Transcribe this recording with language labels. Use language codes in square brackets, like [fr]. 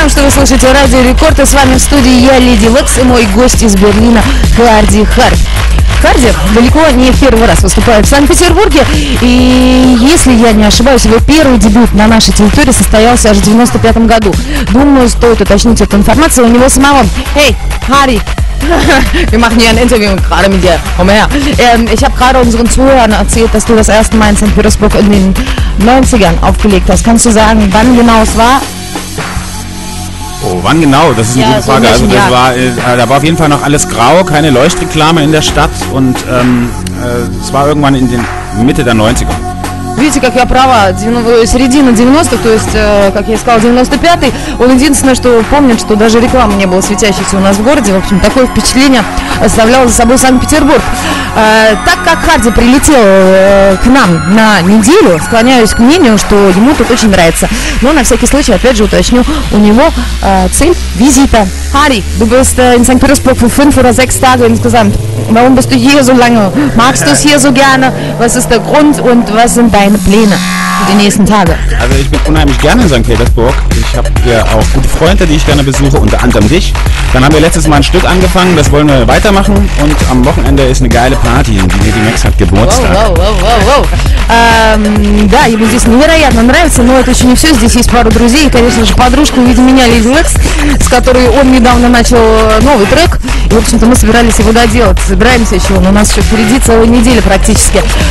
[ru] слушаете Радио Рекорд, и с вами в студии я, Леди Лекс, и мой гость из Берлина Харди Харт. Харди далеко не в первый раз выступает в Санкт-Петербурге, и, если я не ошибаюсь, его первый дебют на нашей территории состоялся аж в 95-м году. Думаю, стоит уточнить эту информацию у него самого. Эй, Харди! [de] Wir machen hier ein Interview gerade mit dir. Komm her. Ich habe gerade unseren Zuhörern erzählt, dass du das erste Mal in St. Petersburg in den 90ern aufgelegt hast. Kannst du sagen, wann genau es war? Oh, wann genau? Das ist eine gute Frage. Also das war, da war auf jeden Fall noch alles grau, keine Leuchtreklame in der Stadt. Und es war irgendwann in den Mitte der 90er. [ru] Видите, как я права, середина 90-х, то есть, как я и сказала, 95-й. Он единственное, что помнит, что даже рекламы не было светящейся у нас в городе. В общем, такое впечатление оставлял за собой Санкт-Петербург. Так как Харди прилетел к нам на неделю, склоняюсь к мнению, что ему тут очень нравится. Но на всякий случай, опять же, уточню, у него цель визита. [de] Харди, du bist in St. Petersburg für 5 oder 6 Tage insgesamt. Warum bist du hier so lange? Magst du es hier so gerne? Was ist der Grund und was sind deine Pläne für die nächsten Tage? Also ich bin unheimlich gerne in St. Petersburg. Ich habe hier auch gute Freunde, die ich gerne besuche, unter anderem dich. Dann haben wir letztes Mal ein Stück angefangen, das wollen wir weitermachen. Und am Wochenende ist eine geile Party, die Lady Max hat Geburtstag. [ru] Да, ему здесь невероятно нравится, но это еще не все. Здесь есть пару друзей и, конечно же, подружка в виде меня, Lady Max, с которой он недавно начал новый трек. И, в общем-то, мы собирались его доделать. Собираемся еще, но у нас еще впереди целая неделя практически.